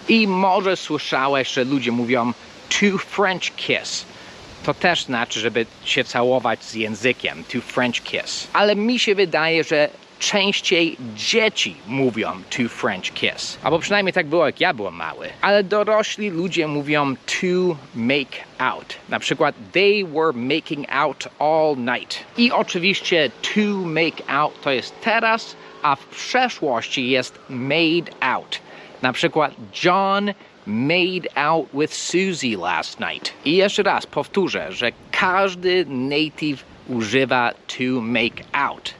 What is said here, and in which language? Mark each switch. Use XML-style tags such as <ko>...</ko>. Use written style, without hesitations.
<pl>I może słyszałeś, że ludzie mówią to French kiss. To też znaczy, żeby się całować z językiem. To French kiss. Ale mi się wydaje, że częściej dzieci mówią to French kiss. Albo przynajmniej tak było, jak ja byłem mały. Ale dorośli ludzie mówią to make out. Na przykład,</pl> <en>they were making out all night.</en> <pl>I oczywiście to make out to jest teraz, a w przeszłości jest made out. Na przykład,</pl> <en>John made out with Susie last night.</en> <pl>I jeszcze raz powtórzę, że każdy native używa to make out.</pl>